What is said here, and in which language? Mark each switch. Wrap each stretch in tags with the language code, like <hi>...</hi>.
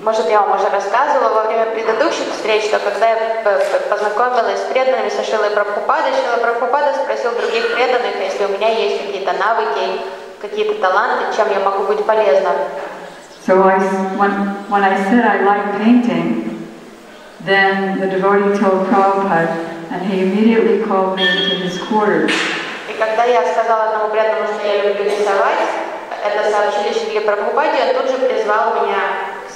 <ru>Может, я вам уже рассказывала во время предыдущих встреч, что когда я познакомилась с преданными со Шрилой Прабхупадой, Шрила Прабхупада спросил других преданных, если у меня есть какие-то навыки, какие-то таланты, чем я могу быть полезна.</ru> <en>So when I said I like painting, then the devotee told Prabhupada, and he immediately called me to his quarters.</en> <ru>И когда я сказала одному преданному, что я люблю рисовать, это сообщили Шриле Прабхупаде, он тут же призвал меня.</ru>